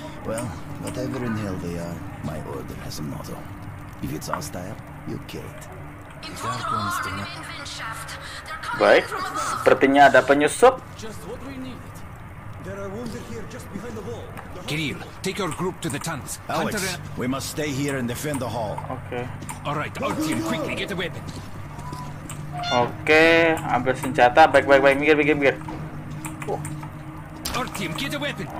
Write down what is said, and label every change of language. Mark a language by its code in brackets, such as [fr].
[en] Well, whatever in hell they are, my order has a motto. If it's hostile, you kill it. [id] Baik, sepertinya ada penyusup. [en] Kirill, take your group to the tunnels. Alex, we must stay here and defend the hall. Okay. All right, our team, quickly get a weapon. [id] Okay, ambil senjata. Baik, mikir. [en] Our team, get a weapon.